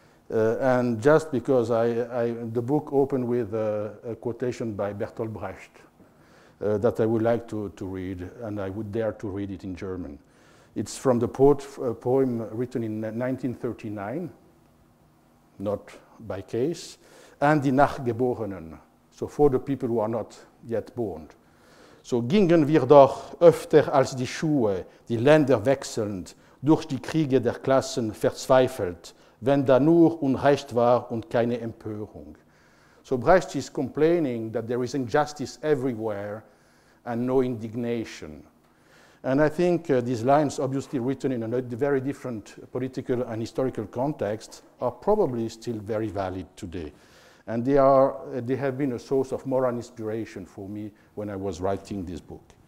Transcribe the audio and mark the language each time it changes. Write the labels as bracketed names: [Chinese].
[English] And just because the book opened with a quotation by Bertolt Brecht that I would like to read, and I would dare to read it in German. It's from the poem written in 1939, not by case, and [German] die Nachgeborenen, [English] so for the people who are not yet born. [German] So gingen wir doch öfter als die Schuhe, die Länder wechselnd, durch die Kriege der Klassen verzweifelt, wenn da nur Unrecht war und keine Empörung. [English] So Brecht is complaining that there is injustice everywhere and no indignation. And I think these lines, obviously written in a very different political and historical context, are probably still very valid today. And they have been a source of moral inspiration for me when I was writing this book.